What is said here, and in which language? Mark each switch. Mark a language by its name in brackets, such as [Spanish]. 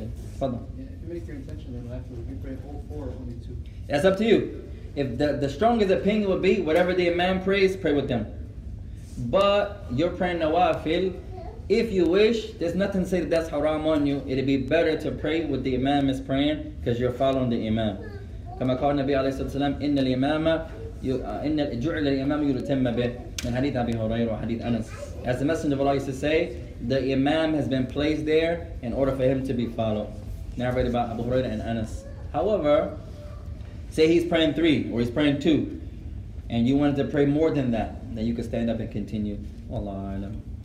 [English] If you make your intention, then after, you pray all four or only two? That's up to you. If the strongest opinion would be, whatever the imam prays, pray with them. But you're praying nawafil. If you wish, there's nothing to say that that's haram on you. It'd be better to pray with the imam is praying because you're following the imam. [Arabic] كما قال النبي عليه الصلاة والسلام إن الإمام إن جعل الإمام يتم به من حديث أبي هريرة وحديث أنس. [English] As the Messenger of Allah used to say, the imam has been placed there in order for him to be followed. Narrated by Abu Hurairah and Anas. However, say he's praying three or he's praying two, and you wanted to pray more than that, then you could stand up and continue. Wallahu a'lam.